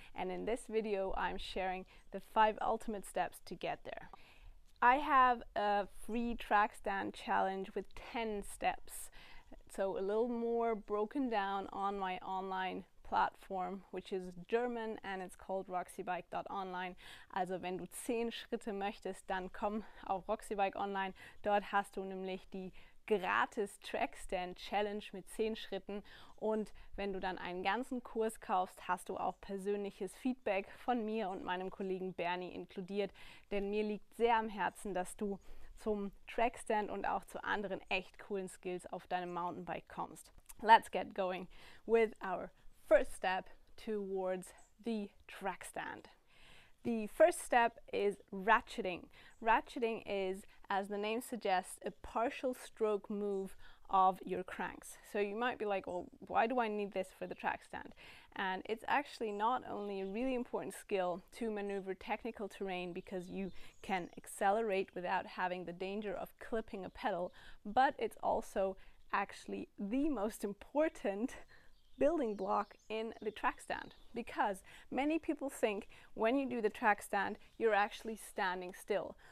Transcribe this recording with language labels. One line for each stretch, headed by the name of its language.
English: And in this video, I'm sharing the 5 ultimate steps to get there. I have a free track stand challenge with 10 steps. So a little more broken down on my online platform, which is German, and it's called roxybike.online.
German: Also wenn du 10 Schritte möchtest, dann komm auf Roxybike Online. Dort hast du nämlich die gratis Trackstand Challenge mit 10 Schritten. Und wenn du dann einen ganzen Kurs kaufst, hast du auch persönliches Feedback von mir und meinem Kollegen Bernie inkludiert. Denn mir liegt sehr am Herzen, dass du zum Trackstand und auch zu anderen echt coolen Skills auf deinem Mountainbike kommst.
English: Let's get going with our first step towards the track stand. The first step is ratcheting. Ratcheting is, as the name suggests, a partial stroke move of your cranks. So you might be like, well, why do I need this for the track stand? And it's actually not only a really important skill to maneuver technical terrain because you can accelerate without having the danger of clipping a pedal, but it's also actually the most important building block in the track stand, because many people think when you do the track stand, you're actually standing still.